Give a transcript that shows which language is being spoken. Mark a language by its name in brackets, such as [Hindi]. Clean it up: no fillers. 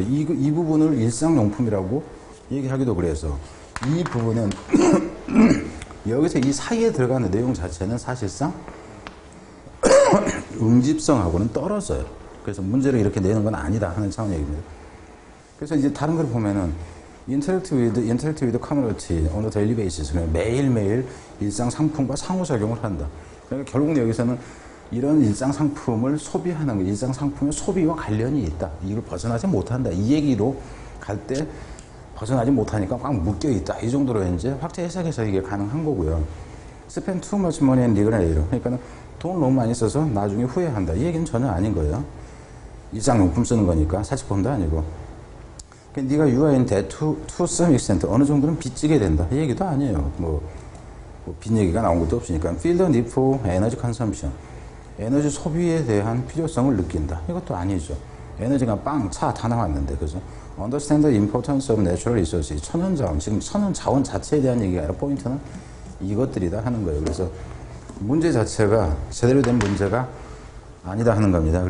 [Korean] 이 부분을 일상용품이라고 얘기하기도 그래서 이 부분은 여기서 이 사이에 들어가는 내용 자체는 사실상 응집성하고는 떨어져요. 그래서 문제를 이렇게 내는 건 아니다 하는 차원 얘기입니다. 그래서 이제 다른 걸 보면은 [English] interact with community on a daily basis. [Korean] 매일매일 일상 상품과 상호작용을 한다. 그러니까 결국 여기서는 이런 일상 상품을 소비하는, 일상 상품의 소비와 관련이 있다. 이걸 벗어나지 못한다. 이 얘기로 갈 때 벗어나지 못하니까 꽉 묶여있다. 이 정도로 이제 확대 해석해서 이게 가능한 거고요. [English] Spend too much money and regret. [Korean] 그러니까 돈 너무 많이 써서 나중에 후회한다. 이 얘기는 전혀 아닌 거예요. 일상용품 쓰는 거니까 사치품도 아니고. 그러니까 네가 [English] you are in debt to some extent. [Korean] 어느 정도는 빚지게 된다. 이 얘기도 아니에요. 뭐 빚 얘기가 나온 것도 없으니까. [English] Feel the need for energy consumption. [Korean] 에너지 소비에 대한 필요성을 느낀다. 이것도 아니죠. 에너지가 빵, 차 다 나왔는데, 그죠? [English] Understand the importance of natural resources. [Korean] 천연자원, 지금 천연자원 자체에 대한 얘기가 아니라 포인트는 이것들이다 하는 거예요. 그래서 문제 자체가 제대로 된 문제가 아니다 하는 겁니다.